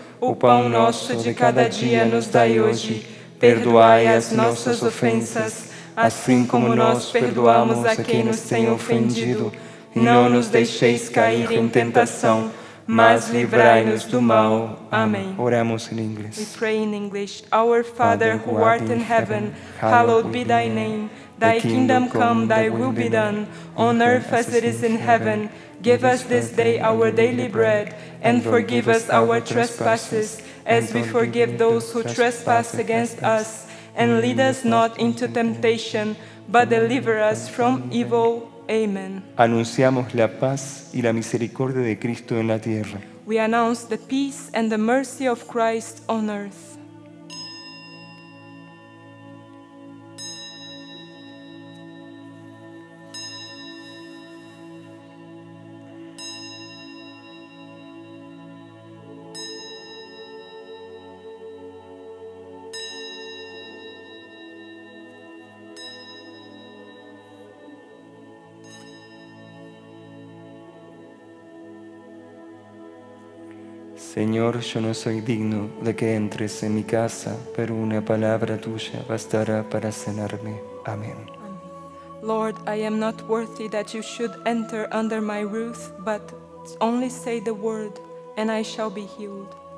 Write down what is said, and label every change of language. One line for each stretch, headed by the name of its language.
Portuguese: O pão nosso de cada dia nos dai hoje. Perdoai as nossas ofensas, assim como nós perdoamos a quem nos tem ofendido. Não nos deixeis cair em tentação, mas livrai-nos do mal. Amém. Oramos em inglês.
English: We pray in English. Our Father, who art in heaven, hallowed be thy name. Thy kingdom come, thy will be done, on earth as it is in heaven. Give us this day our daily bread, and forgive us our trespasses, as we forgive those who trespass against us. And lead us not into temptation, but deliver us from evil. Amen.
Spanish: Anunciamos la paz y la misericordia de Cristo en la tierra.
English: We announce the peace and the mercy of Christ on earth. Thank you.
Spanish: Señor, yo no soy digno de que entres en mi casa, pero una palabra tuya bastará para sanarme. Amén.
English: Lord, I am not worthy that you should enter under my roof, but only say the word, and I shall be healed.